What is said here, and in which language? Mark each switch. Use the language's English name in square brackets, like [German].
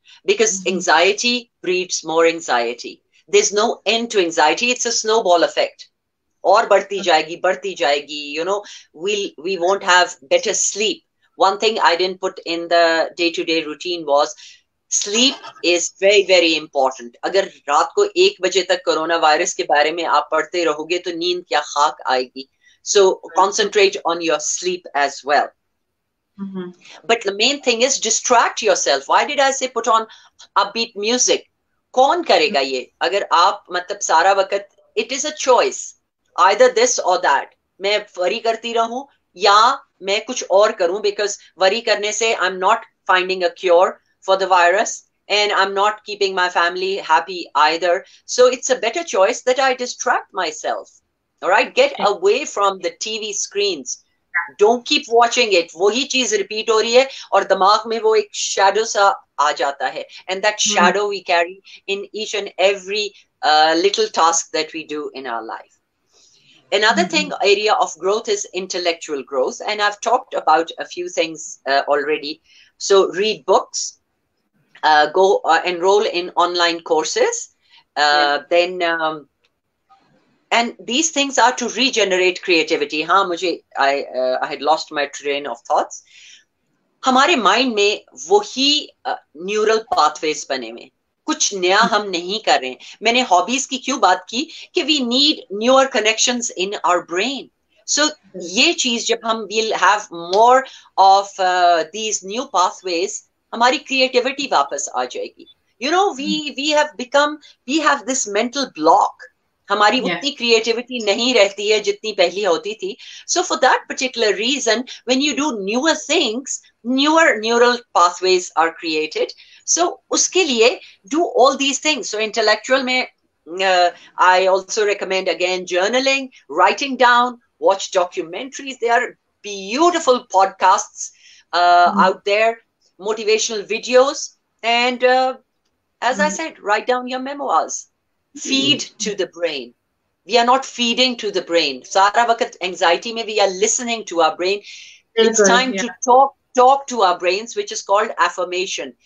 [English] Because anxiety breeds more anxiety. There's no end to anxiety. [Hindi] It's a snowball effect. Aur badhti jayegi, badhti jayegi. [English] You know, we won't have better sleep. One thing I didn't put in the day-to-day routine was sleep is very very important. [Hindi] अगर रात को 1 बजे तक corona virus के बारे में आप पढ़ते रहोगे तो नींद क्या खाक आएगी. [English] So concentrate on your sleep as well. But the main thing is distract your self. Why did I say put on upbeat music? कौन करेगा ये अगर आप मतलब सारा वक्त, it is a choice, either this or that. मैं worry करती रहूं या मैं कुछ और करूं, बिकॉज वरी करने से I am not finding a cure for the virus and I'm not keeping my family happy either. So it's a better choice that I distract myself. All right, get away from the TV screens. Don't keep watching it. Wohi cheez repeat ho rahi hai aur dimag mein wo ek shadow sa aa jata hai. And that shadow we carry in each and every little task that we do in our life. Another thing, area of growth is intellectual growth. And I've talked about a few things already. So read books. Go enroll in online courses. Then, and these things are to regenerate creativity. हाँ, मुझे I had lost my train of thoughts. [Hindi] हमारे mind में वही neural pathways बने हुए, कुछ नया हम नहीं कर रहे हैं. मैंने hobbies की क्यों बात की कि we need newer connections in our brain. So ये चीज जब हम we'll have more of these new pathways, हमारी क्रिएटिविटी वापस आ जाएगी. [English] You know we have this mental block. [Hindi] हमारी उतनी क्रिएटिविटी नहीं रहती है जितनी पहले होती थी. [English] So for that particular reason when you do newer things, newer neural pathways are created. So उसके लिए do all these things. So intellectual में I also recommend again journaling, writing down, watch documentaries. They are beautiful podcasts out there, motivational videos, and as I said, write down your memoirs. Feed to the brain. We are not feeding to the brain. Sara vakat anxiety mein, we are listening to our brain. It's time to talk to our brains, which is called affirmation.